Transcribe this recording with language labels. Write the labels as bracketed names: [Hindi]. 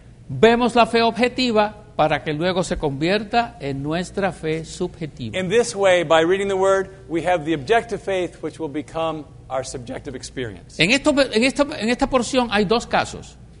[Spanish] Vemos la fe objetiva para que luego se convierta en nuestra fe subjetiva. [English] In this way, by reading the word, we have the objective faith which will become our subjective experience. [Spanish] En esta porción hay dos casos.